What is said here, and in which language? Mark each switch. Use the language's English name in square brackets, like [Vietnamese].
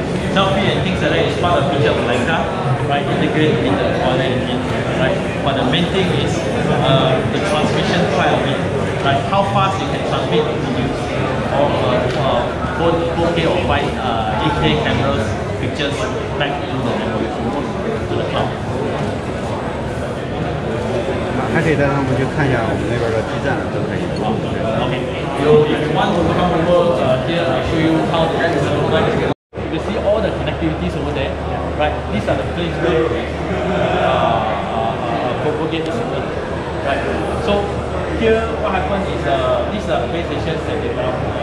[English] Selfie and things like that is part of the feature of Leica, right? Integrated in the Huawei engine, right? But the main thing is the transmission part of it, right? How fast you can transmit videos of both 4K or 8K cameras, pictures back to the memory, to the cloud. [Chinese] 还可以带他们去看一下我们那边的基站，都可以。 [English] OK, you if you want to come over here, I show you how the app is going to look like. You see all the connectivities over there, right? These are the places where propagate the signal, right? So here, what happens is these are base stations that they have.